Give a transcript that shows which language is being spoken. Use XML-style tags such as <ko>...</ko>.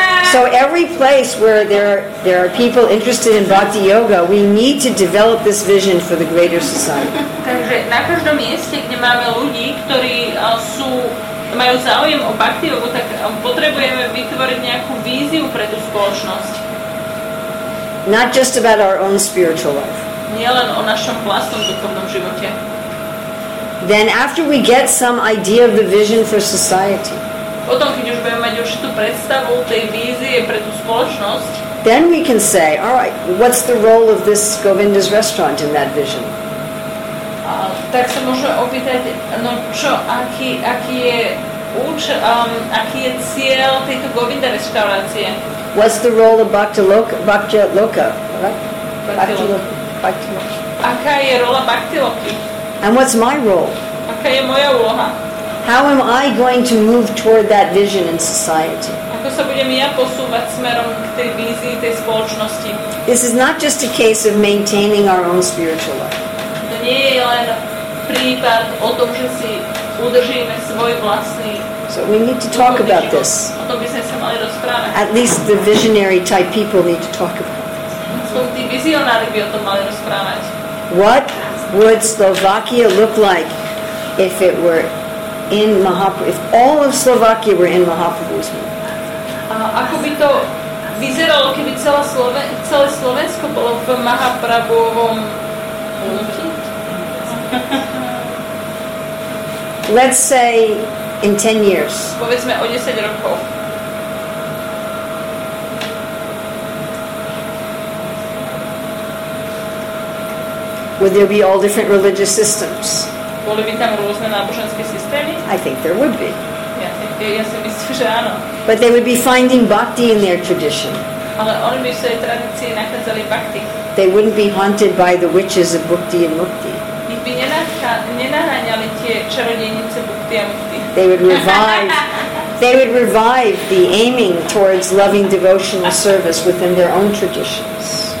<en>So every place where there are people interested in bhakti yoga, we need to develop this vision for the greater society.</en> <sk>Takže na každom mieste, kde máme ľudí, ktorí sú majú záujem o bhakti yogu, tak potrebujeme vytvoriť nejakú víziu pre tú spoločnosť.</sk> <en>Not just about our own spiritual life.</en> <sk>Nie len o našom vlastnom duchovnom živote.</sk> <en>Then after we get some idea of the vision for society,</en> <sk>potom, keď už budeme mať určitú predstavu tej vízie pre tú spoločnosť,</sk> <en>then we can say, all right, what's the role of this Govinda's restaurant in that vision?</en> <sk>Tak sa môžeme opýtať, no čo, aký je cieľ tejto Govinda restaurácie?</sk> <en>What's the role of Bhakti Loka?</en> <sk>Aká je rola Bhakti Loki?</sk> <en>And what's my role?</en> <sk>Aká je moja úloha?</sk> <en>How am I going to move toward that vision in society?</en> <sk>Ako sa budem ja posúvať smerom k tej vízii tej spoločnosti?</sk> <en>This is not just a case of maintaining our own spiritual life.</en> <sk>To nie je len prípad o tom, že si udržíme svoj vlastný.</sk> <en>So we need to talk about this.</en> <sk>O tom by sme sa mali rozprávať.</sk> <en>At least the visionary type people need to talk about this.</en> <sk>So tí vizionári by o tom mali rozprávať.</sk> <en>What would Slovakia look like if it were in Mahaprabhu, if all of Slovakia were in Mahaprabhu's mood?</en> <sk>Ako by to vyzeralo, keby celé Slovensko bolo v Mahaprabhuovom hnutí?</sk> <en>Let's say in 10 years.</en> <sk>Povedzme o 10 rokov.</sk> <en>Would there be all different religious systems?</en> <sk>Boli by tam rôzne náboženské systémy?</sk> <en>I think there would be.</en> <sk>Ja si myslím, že áno.</sk> <en>But they would be finding bhakti in their tradition.</en> <sk>Ale oni by v svojej tradícii nachádzali bhakti.</sk> <en>They wouldn't be haunted by the witches of bhakti and mukti.</en> <sk>Ich by nenaháňali tie čarodejnice bhakti a mukti.</sk> <en>They would revive the aiming towards loving devotional service within their own traditions.</en>